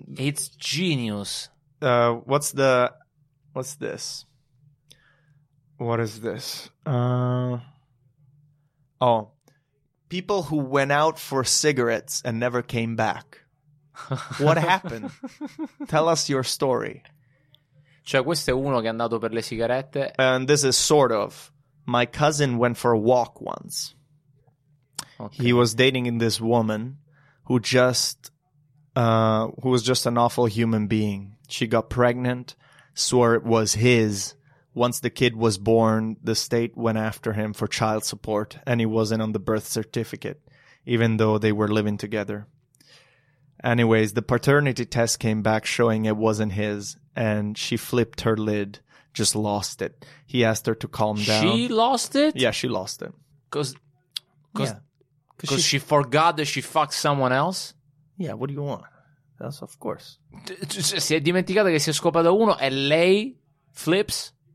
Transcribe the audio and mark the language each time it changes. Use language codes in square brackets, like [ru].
[en] It's genius. What's this? What is this? Oh, people who went out for cigarettes and never came back. What happened? Tell us your story. [it] Cioè, questo è uno che è andato per le sigarette. [en] And this is sort of. My cousin went for a walk once. Okay. He was dating in this woman who was just an awful human being. She got pregnant, swore it was his. Once the kid was born, the state went after him for child support, and he wasn't on the birth certificate, even though they were living together. Anyways, the paternity test came back showing it wasn't his, and she flipped her lid, just lost it. He asked her to calm down. She lost it? Yeah, she lost it. Because she forgot that she fucked someone else? Yeah, what do you want? That's of course. [it] Si è dimenticata che si è scopata uno e lei flips?